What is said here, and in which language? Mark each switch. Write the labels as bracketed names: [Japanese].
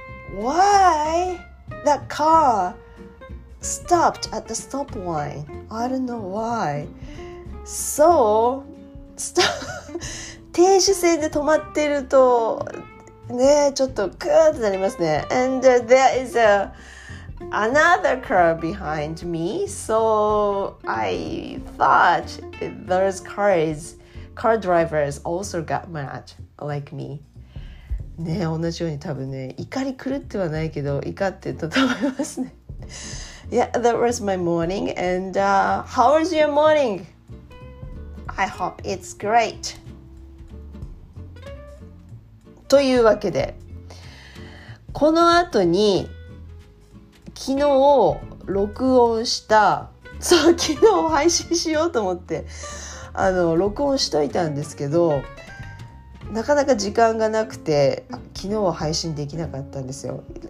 [English] Why that car stopped at the stop line? I don't know why. So, stop. [Japanese] 停止線で止まってるとね、ちょっとクーってなりますね。 [English] And there is another car behind me, so I thought those car drivers also got mad like me. [Japanese] ね、同じように多分ね、怒り狂ってはないけど、怒ってたと思いますね。 [English] Yeah, that was my morning. And how was your morning? I hope it's great. [Japanese] というわけで、この後に昨日録音した、そう、昨日配信しようと思って録音しといたんですけど、なかなか時間がなくて昨日は配信できなかったんですよ。